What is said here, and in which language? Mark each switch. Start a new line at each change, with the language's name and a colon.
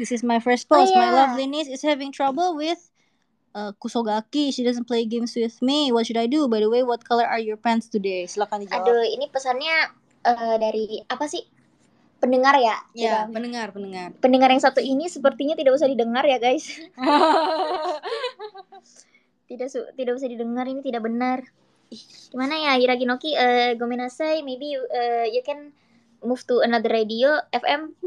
English: This is my first post, oh, yeah. My lovely niece is having trouble with Kusogaki, she doesn't play games with me, what should I do? By the way, what color are your pants today?
Indonesian: Silakan dijawab. Aduh, ini pesannya... dari apa sih pendengar ya? Iya, pendengar. Pendengar yang satu ini sepertinya tidak usah didengar ya, guys. tidak usah didengar, ini tidak benar. Gimana ya
English: Hiragi Noki, gominasai, maybe you can move to another radio FM.